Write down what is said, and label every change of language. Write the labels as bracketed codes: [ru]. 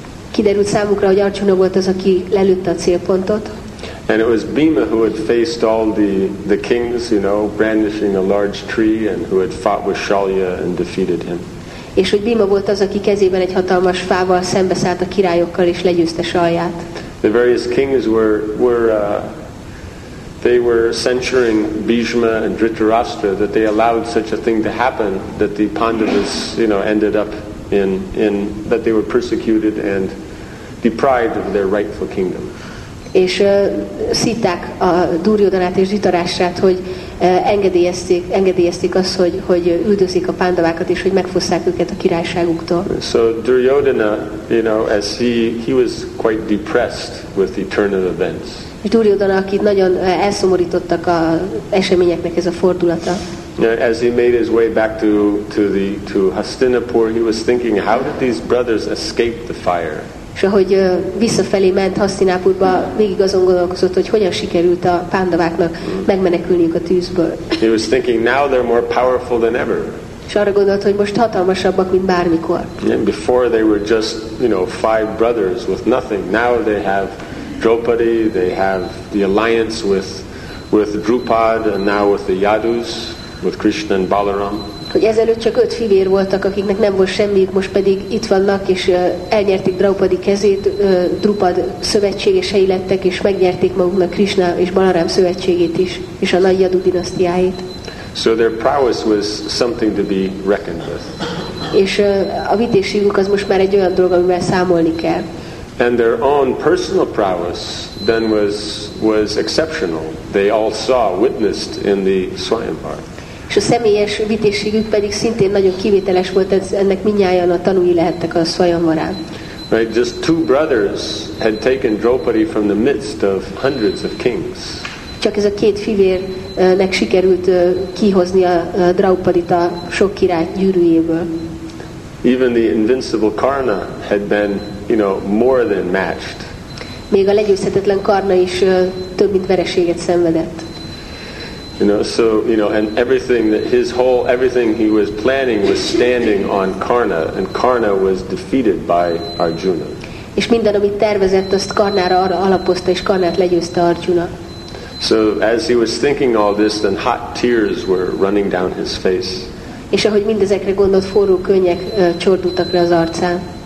[hu] Kiderült számukra, hogy Arjuna volt az, aki lelőtte a célpontot. [en] And it was Bhima who had faced all the kings, you know, brandishing a large tree, and who had fought with Shalya and defeated him. [hu] És hogy Bhima volt az, aki kezében egy hatalmas fával szembeszállt a királyokkal és legyőzte Shalyát. [en] The various kings were censuring Bhishma and Dhritarashtra that they allowed such a thing to happen, that the Pandavas, you know, ended up in that they were persecuted and deprived of their rightful kingdom. [hu] És szitták a Duryodhanát és Dzsitarásrát, hogy engedélyezték azt, hogy üldözik a pándavákat és hogy megfosszák őket a királyságuktól. [en] So Duryodhana, you know, as he was quite depressed with the turn of events. [hu] És Duryodhana, akit nagyon elszomorítottak a eseményeknek ez a fordulata. [en] As he made his way back to Hastinapur, he was thinking, how did these brothers escape the fire? [hu] És ahogy visszafelé ment Hasztinápurba, végig azon gondolkozott, hogy hogyan sikerült a pándaváknak megmenekülniük a tűzből. [en] He was thinking, now they're more powerful than ever. [hu] És arra gondolt, hogy most hatalmasabbak, mint bármikor. [en] And before they were just, you know, five brothers with nothing. Now they have Draupadi, they have the alliance with Drupad, and now with the Yadus, with Krishna and Balaram. [hu] Hogy ezelőtt csak öt fivér voltak, akiknek nem volt semmiük, most pedig itt vannak, és elnyerték Draupadi kezét, Drupad szövetségesei lettek, és megnyerték maguknak Krishna és Balaram szövetségét is, és a nagy Yadu dinasztiáit. [en] So their prowess was something to be reckoned with. [hu] És a vitésségük az most már egy olyan dolog, amivel számolni kell. [en] And their own personal prowess then was exceptional. They all saw, witnessed in the Swayamvara. [hu] És a személyes vitésségük pedig szintén nagyon kivételes volt, ennek mindnyájan a tanúi lehettek a Swayamvarán. [en] Right, just two brothers had taken Draupadi from the midst of hundreds of kings. [hu] Csak ez a két fivérnek sikerült kihozni a Draupadit a sok király gyűrűjéből. [en] Even the invincible Karna had been, you know, more than matched. [hu] Még a legyőzhetetlen Karna is több mint vereséget szenvedett. [en] You know, so, you know, and everything he was planning was standing on Karna, and Karna was defeated by Arjuna. [hu] És minden, amit tervezett, azt Karnára arra alapozta, és Karnát legyőzte Arjuna. [en] So as he was thinking all this, then hot tears were running down his face. [hu] És ahogy mindezekre gondolt, forró könnyek csordultak le az arcán.